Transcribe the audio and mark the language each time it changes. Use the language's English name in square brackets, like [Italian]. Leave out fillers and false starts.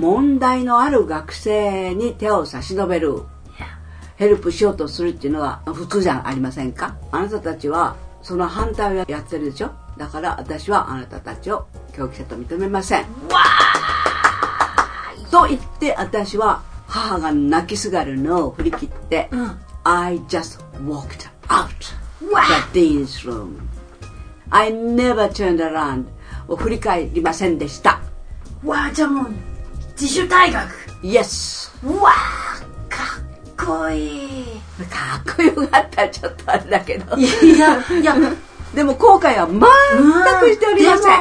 [Japanese] 問題のある学生に手を差し伸べる、ヘルプしようとするっていうのは普通じゃありませんか。あなたたちはその反対をやってるでしょ。だから私はあなたたちを教育者と認めません。わあと言って、私は母が泣きすがるのを振り切って、うん、 [English] I just walked out the dean's room. I never turned around. [Japanese] を振り返りませんでした。わあ、じゃあもう自主退学。 [English] Yes. [Japanese] わあ、かっこいい。かっこよかった、ちょっとあれだけど。いや。でも後悔は全くしておりません、